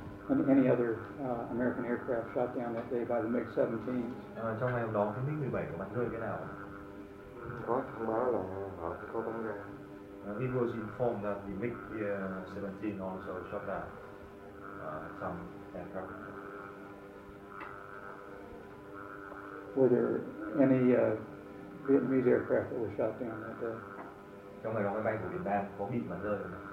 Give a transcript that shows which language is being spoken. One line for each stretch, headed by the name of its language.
English: And any other American aircraft shot down that day by the MiG-17s.
Vietnamese: Trong ngày hôm đó, cái MiG-17 của bạn rơi cái nào? Có thông báo là họ có bắn ra.
English: It was informed that the MiG-17 also shot down some aircraft. Were there any Vietnamese aircraft that were shot down that day?
Vietnamese: Trong ngày đó, máy bay của Việt Nam có bị bắn rơi không?